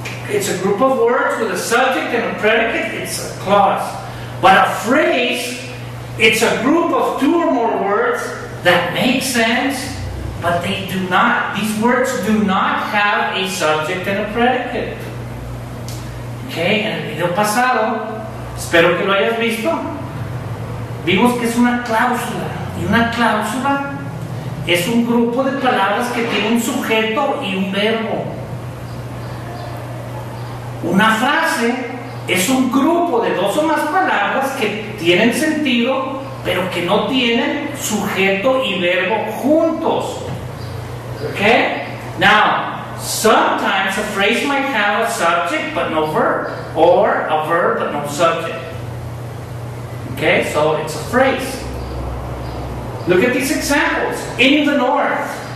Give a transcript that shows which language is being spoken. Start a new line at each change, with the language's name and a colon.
English: It's a group of words with a subject and a predicate. It's a clause. But a phrase, it's a group of two or more words that make sense, but they do not, these words do not have a subject and a predicate.
Spanish: Okay, en el video pasado, espero que lo hayas visto, vimos que es una cláusula. Y una cláusula es un grupo de palabras que tiene un sujeto y un verbo. Una frase es un grupo de dos o más palabras que tienen sentido, pero que no tienen sujeto y verbo juntos.
English: Okay? Now, sometimes a phrase might have a subject but no verb, or a verb but no subject. Okay? So it's a phrase. Look at these examples. In the north.